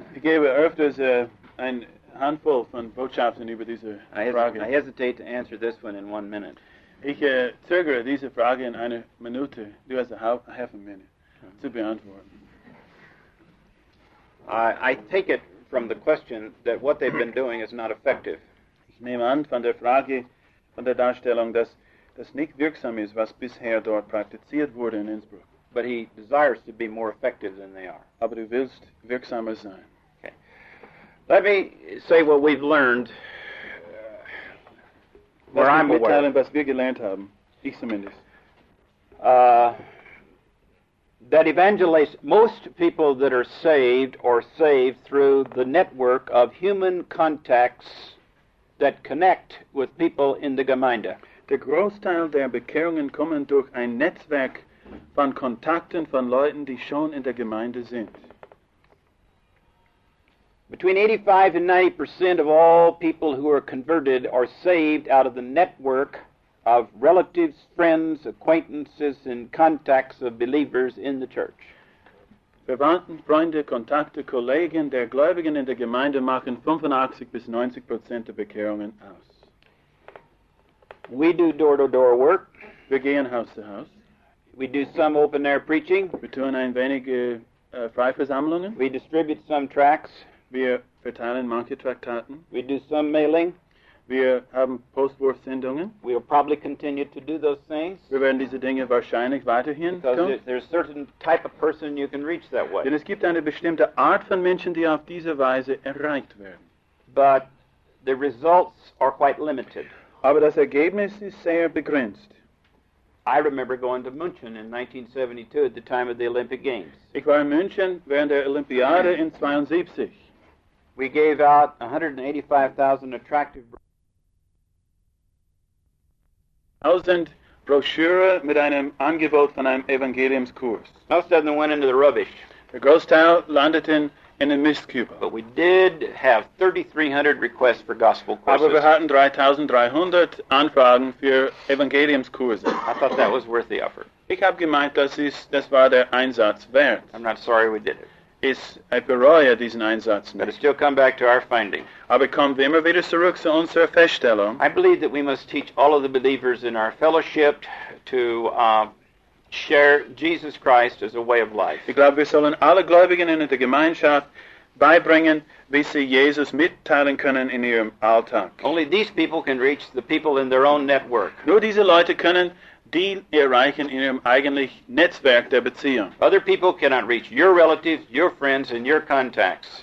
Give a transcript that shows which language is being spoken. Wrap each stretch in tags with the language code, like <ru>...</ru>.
<de>Ich gebe öfters ein Handvoll von Botschaften über diese Frage.</de> <en>I hesitate to answer this one in 1 minute.</en> <de>Ich zögere diese Frage in einer Minute. Du hast</de> <en>half a minute</en> <de>zu beantworten.</de> <en>I take it from the question that what they've been doing is not effective.</en> <de>Ich nehme an von der Frage, von der Darstellung, dass das nicht wirksam ist, was bisher dort praktiziert wurde in Innsbruck.</de> <en>But he desires to be more effective than they are.</en> <de>Aber du willst wirksamer sein.</de> <en>Okay. Let me say what we've learned. Where</en> <de>Lass</de> <en>I'm aware.</en> <de>Lass mich mitteilen, was wir gelernt haben. Ich zumindest.</de> <en>That evangelists, most people that are saved are saved through the network of human contacts that connect with people in the Gemeinde.</en> <de>Der Großteil der Bekehrungen kommen durch ein Netzwerk von Kontakten von Leuten, die schon in der Gemeinde sind.</de> <en>Between 85 and 90% of all people who are converted are saved out of the network of relatives, friends, acquaintances and contacts of believers in the church.</en> <de>Verwandten, Freunde, Kontakte, Kollegen der Gläubigen in der Gemeinde machen 85 bis 90% der Bekehrungen aus.</de> <en>We do door-to-door work.</en> <de>Wir gehen Haus zu Haus.</de> <en>We do some open-air preaching.</en> <de>Wir tun ein wenig Freiversammlungen.</de> <en>We distribute some tracts.</en> <de>Wir verteilen manche Traktaten.</de> <en>We do some mailing.</en> <de>Wir haben Postwurfsendungen.</de> <en>We will probably continue to do those things.</en> <de>Wir werden diese Dinge wahrscheinlich weiterhin</de> <en>because</en> <de>tun.</de> <en>There's a certain type of person you can reach that way.</en> <de>Denn es gibt eine bestimmte Art von Menschen, die auf diese Weise erreicht werden.</de> <en>But the results are quite limited.</en> <de>Aber das Ergebnis ist sehr begrenzt.</de> <en>I remember going to München in 1972 at the time of the Olympic Games.</en> <de>Ich war in München während der Olympiade in 72.</de> <en>We gave out 185,000 attractive</en> <de>brochures. 1,000 Broschüre mit einem Angebot von einem Evangeliumskurs.</de> <en>Most of them went into the rubbish.</en> <de>Der Großteil landet in den Mistkübel.</de> <en>But we did have 3,300 requests for gospel courses.</en> <de>Aber wir hatten 3,300 Anfragen für Evangeliumskurse.</de> <en>I thought that was worth the effort.</en> <de>Ich habe gemeint, das war der Einsatz wert.</de> <en>I'm not sorry we did it.</en> <de>Ich bereue diesen Einsatz nicht.</de> <en>But still come back to our finding.</en> <de>Aber kommen wir immer wieder zurück zu unserer Feststellung.</de> <en>I believe that we must teach all of the believers in our fellowship to share Jesus Christ as a way of life.</en> <de>Ich glaube, wir sollen alle Gläubigen in der Gemeinschaft beibringen, wie sie Jesus mitteilen können in ihrem Alltag.</de> <en>Only these people can reach the people in their own network.</en> <de>Nur diese Leute können die erreichen in ihrem eigentlich Netzwerk der Beziehung.</de> <en>Other people cannot reach your relatives, your friends and your contacts.</en>